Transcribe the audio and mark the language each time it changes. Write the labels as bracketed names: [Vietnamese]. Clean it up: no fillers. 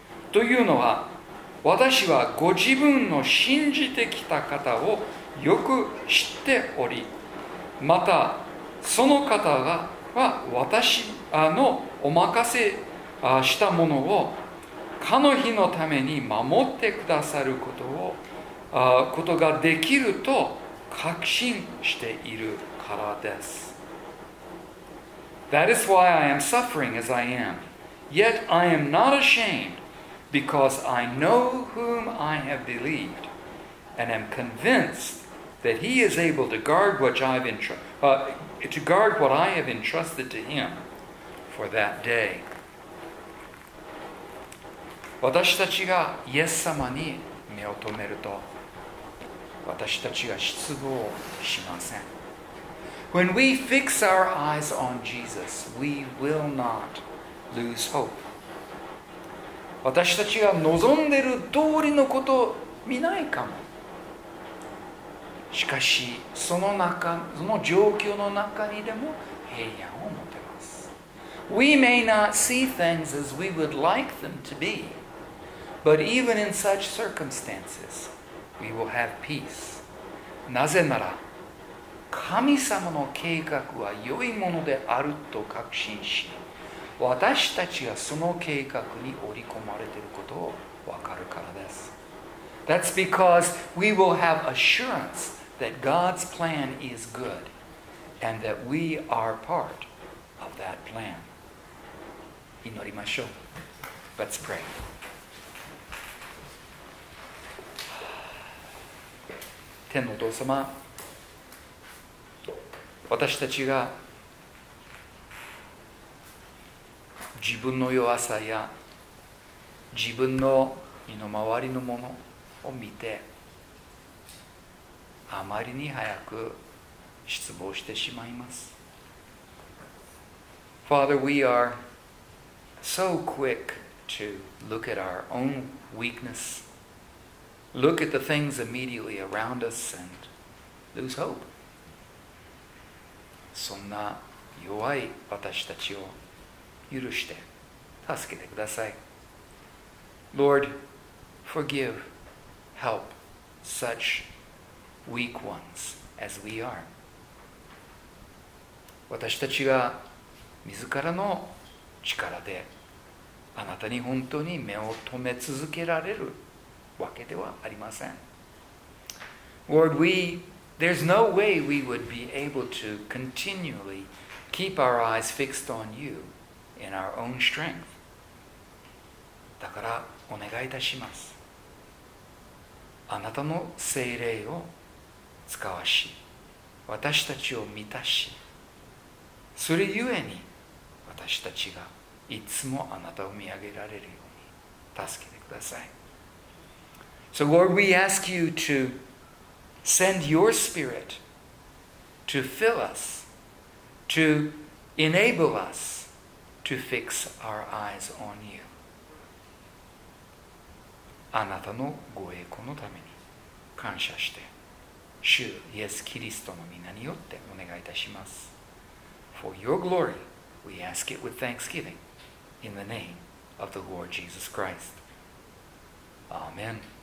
[Japanese] というのは私はご自分の信じてきた方をよく知っており、またその方は私のお任せしたものをかの日のために守ってくださることをことができると確信しているからです。 [English] That is why I am suffering as I am. Yet I am not ashamed, because I know whom I have believed, and am convinced that he is able to guard what I've to guard what I have entrusted to him for that day. [Japanese] 私たちがイエス様に目を留めると私たちが失望しません。 [English] When we fix our eyes on Jesus, we will not lose hope. [Japanese] 私たちが望んでいる通りのことを見ないかも。しかし、その中、その状況の中にでも平安を持てます。 [English] We may not see things as we would like them to be, but even in such circumstances,We will have peace. [Japanese] なぜなら神様の計画は良いものであると確信し、私たちがその計画に織り込まれていることを分かるからです。 [English] That's because we will have assurance that God's plan is good and that we are part of that plan. [Japanese] 祈りましょう。 [English] Let's pray. [Japanese] 天のお父様、私たちが自分の弱さや自分の身の回りのものを見てあまりに早く失望してしまいます。 [English] Father, we are so quick to look at our own weakness. Look at the things immediately around us and lose hope. [Japanese] そんな弱い私たちを許して助けてください。 [English] Lord, forgive, help such weak ones as we are. [Japanese] 私たちが自らの力であなたに本当に目を留め続けられるわけではありません。 [English] Lord, there's no way we would be able to continually keep our eyes fixed on you in our own strength. [Japanese] だからお願いいたします。あなたの聖霊を使わし、私たちを満たし、それゆえに私たちがいつもあなたを見上げられるように助けてください。 [English] So Lord, we ask you to send your spirit to fill us, to enable us to fix our eyes on you. [Japanese] あなたのご栄光のために感謝して、主イエス・キリストの名によってお願いいたします。 [English] For your glory, we ask it with thanksgiving in the name of the Lord Jesus Christ. Amen.